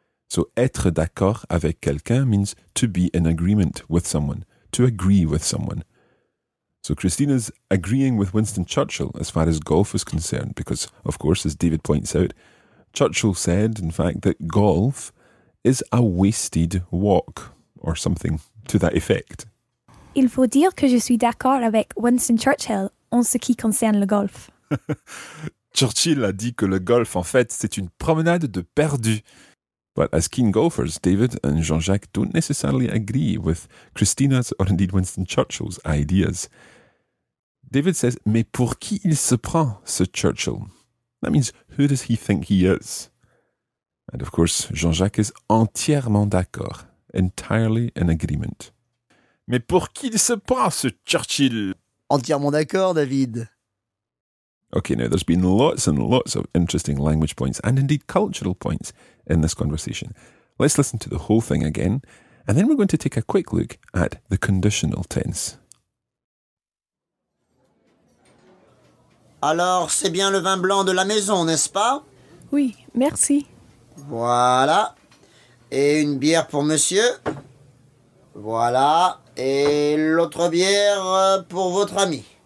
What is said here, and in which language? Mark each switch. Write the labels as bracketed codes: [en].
[en] So, [fr] être d'accord avec quelqu'un [en] means to be in agreement with someone, to agree with someone. So, Christina's agreeing with Winston Churchill as far as golf is concerned, because, of course, as David points out, Churchill said, in fact, that golf is a wasted walk, or something to that effect. [fr] Il faut dire que je suis d'accord avec Winston Churchill en ce qui concerne le golf. Churchill a dit que le golf, en fait, c'est une promenade de perdu. [en] But as keen golfers, David and Jean-Jacques don't necessarily agree with Christina's or indeed Winston Churchill's ideas. David says, [fr] mais pour qui il se prend, ce Churchill? [en] That means, who does he think he is? And of course, Jean-Jacques is [fr] entièrement d'accord, [en] entirely in agreement. [fr] Mais pour qui il se prend, ce Churchill? Entièrement d'accord, David. [en] Okay, now there's been lots and lots of interesting language points and indeed cultural points in this conversation. Let's listen to the whole thing again, and then we're going to take a quick look at the conditional tense. [fr] Alors, c'est bien le vin blanc de la maison, n'est-ce pas? Oui, merci. Voilà. Et une bière pour monsieur? Voilà. Et l'autre bière pour votre ami?